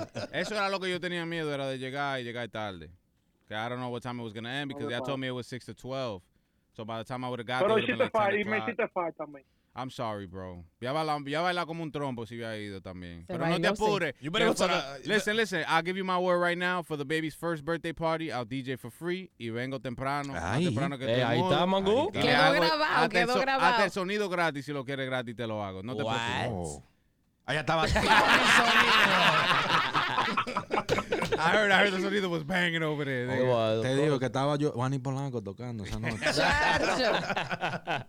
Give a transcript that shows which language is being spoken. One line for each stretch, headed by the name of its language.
Spanish: Eso era lo que yo tenía miedo, era de llegar y llegar tarde.
English: Okay, I don't know what time it was going to end because they told me it was 6 to 12. So by the time I would have got there, it would have been like 10 o'clock. I'm sorry, bro.
Spanish: Ya baila como un trompo si hubiera ido también. Pero no te apures.
English: Listen. I'll give you my word right now for the baby's first birthday party. I'll DJ for free.
Spanish: Y vengo temprano. Ahí está, Mangú. Quedó grabado. Hasta el sonido gratis. Si lo quieres gratis, te lo hago. No te preocupes. Allá estaba.
English: I heard the sonido was banging over there.
Spanish: Te digo que estaba yo, Juan y Polanco, tocando esa noche.